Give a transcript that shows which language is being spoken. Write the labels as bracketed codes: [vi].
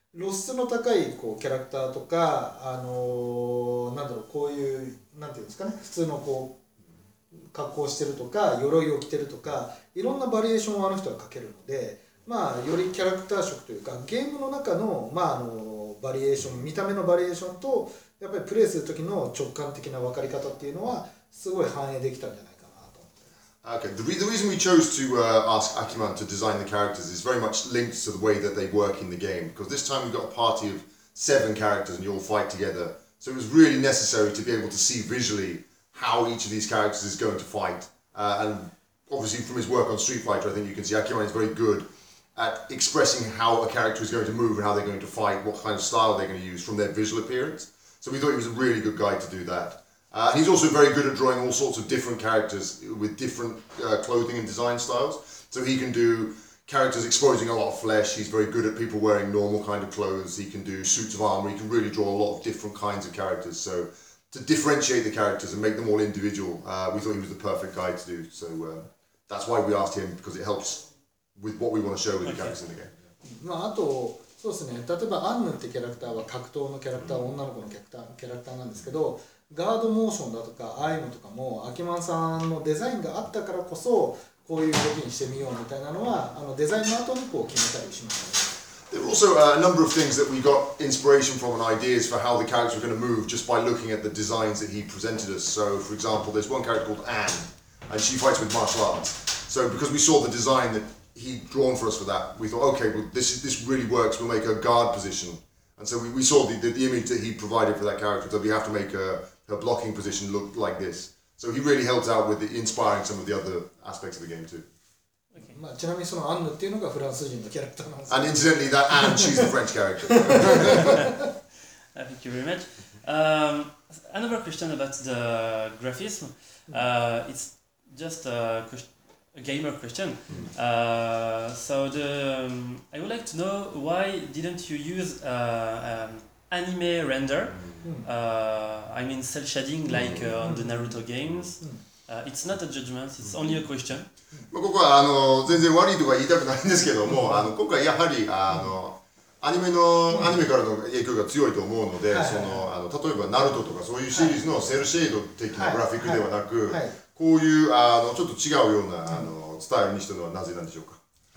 [ja] 露出の高いこうキャラクターとか、なんだろう、こういう、なんていうんですかね、普通のこう格好してるとか、鎧を着てるとか、いろんなバリエーションをあの人は描けるので、まあ、よりキャラクター色というか、ゲームの中の、まあ、バリエーション、見た目のバリエーションと、やっぱりプレイする時の直感的な分かり方っていうのは、すごい反映できたんじゃないかなと思ってます。 [en] Okay, the reason we chose to ask Akiman to design the characters is very much linked to the way that they work in the game, because this time we've got a party of seven characters and you all fight together, so it was really necessary to be able to see visually how each of these characters is going to fight, and obviously from his work on Street Fighter, I think you can see Akiman is very good at expressing how a character is going to move and how they're going to fight, what kind of style they're going to use from their visual appearance. So we thought he was a really good guy to do that. He's also very good at drawing all sorts of different characters with different clothing and design styles. So he can do characters exposing a lot of flesh. He's very good at people wearing normal kind of clothes. He can do suits of armor. He can really draw a lot of different kinds of characters. So to differentiate the characters and make them all individual, we thought he was the perfect guy to do. So that's why we asked him, because it helps with what we want to show with the characters in the game. [ja] そうですね、例えばアンヌってキャラクターは格闘のキャラクター、女の子のキャラクターなんですけど、ガードモーションだとかアイムとかもアキマンさんのデザインがあったからこそこういう動きにしてみようみたいなのは、あのデザインの後にこう決めたりします。 [en] There were also a number of things that we got inspiration from and ideas for how the characters were going to move just by looking at the designs that he presented us. So for example, there's one character called Anne and she fights with martial arts. So because we saw the design thathe'd drawn for us for that, we thought, okay, well, this really works, we'll make a guard position. And so we saw the image that he provided for that character, so we have to make her blocking position look like this. So he really helped out with inspiring some of the other aspects of the game too. Okay. [ja] まあ、ちなみにそのアンヌっていうのがフランス人のキャラクターなんですね。 [en] And incidentally, that Anne, she's the French character. Thank you very much. Another question about the graphism. It's just a question. A gamer question. I would like to know why didn't you use anime render? I mean cel shading like on the Naruto games. It's not a judgment. It's only a question. [ja] まあここは全然悪いとか言いたくないんですけども、今回やはりアニメからの影響が強いと思うので、例えばNarutoとかそういうシリーズのセルシェード的なグラフィックではなく。こういうちょっと違うようなスタイルにしたのはなぜなんでしょうか。